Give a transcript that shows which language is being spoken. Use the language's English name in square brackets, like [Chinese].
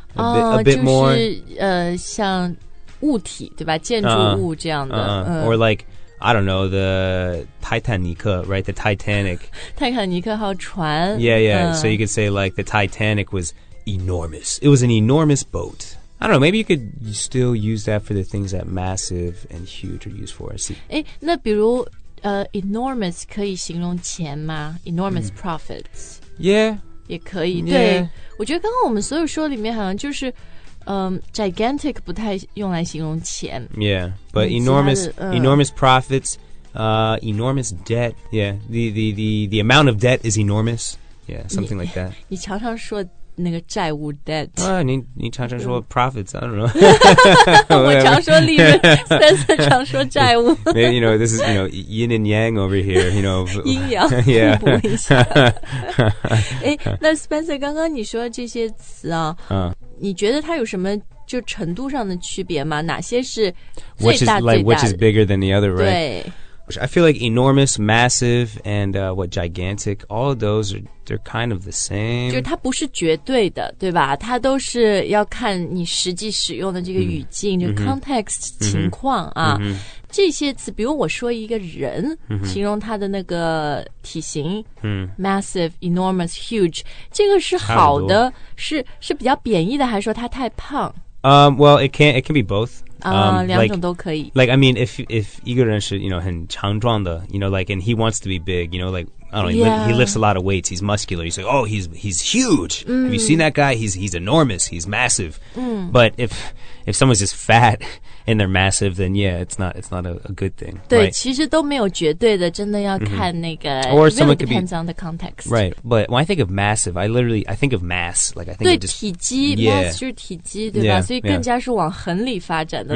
[English] A bit more. [Chinese] 像物体对吧建筑物这样的 [English] Or like, I don't know, the Titanic, right? The Titanic. [Chinese] 泰坦尼克号船 [English] Yeah, yeah. So you could say like the Titanic was enormous. It was an enormous boat. I don't know, maybe you could still use that for the things that massive and huge are used for. See. [Chinese] 那比如enormous 可以形容钱吗 [English] Enormous profits. Yeah. [Chinese] 也可以、 [English] yeah. [Chinese] 对我觉得刚刚我们所有说里面好像就是gigantic 不太用来形容钱 [English] Yeah, but enormous, enormous profits, enormous debt. Yeah, the amount of debt is enormous. Yeah, something like that. [Chinese] 你常常说那个债务 debt. 你常常说 [English] profits, I don't know. [Chinese] 我常说利润 Spencer 常说债务 [English] Maybe, You know, this is, you know, yin and yang over here, you know. [Chinese] 阴阳互补一下那 Spencer 刚刚你说的这些词啊你觉得它有什么就程度上的区别吗？哪些是最大最大的 [English] like, which is bigger than the other, right? I feel like enormous, massive, and what, gigantic, all of those are, they're kind of the same. [Chinese] 就是它不是绝对的，对吧？它都是要看你实际使用的这个语境，就 context 情况啊。这些词，比如我说一个人，形容他的那个体型 ， [English] massive, enormous, huge， [Chinese] 这个是好的，是比较贬义的，还是说他太胖 [English] ？Well, it can be both. [Chinese] 两种都可以。 [English] Like I mean, if [Chinese] 一个人是 [English] you know [Chinese] 很强壮的 [English] ，you know like and he wants to be big, you know like I don't know, he lifts a lot of weights, he's muscular. You say, oh, he's huge. Have you seen that guy? He's enormous. He's massive. But if someone's just fat. And they're massive, then yeah, it's not a good thing. [Chinese] 对、 [English] right? [Chinese] 其实都没有绝对的真的要看那个、 [English] Or someone could be, depends on the context. Right, but when I think of massive, I think of mass. Like, I think [Chinese] 对 [English] just, [Chinese] 体积、 [English] yeah. [Chinese] mass 就是体积对吧 [English] yeah, [Chinese] 所以更加是往横里发展的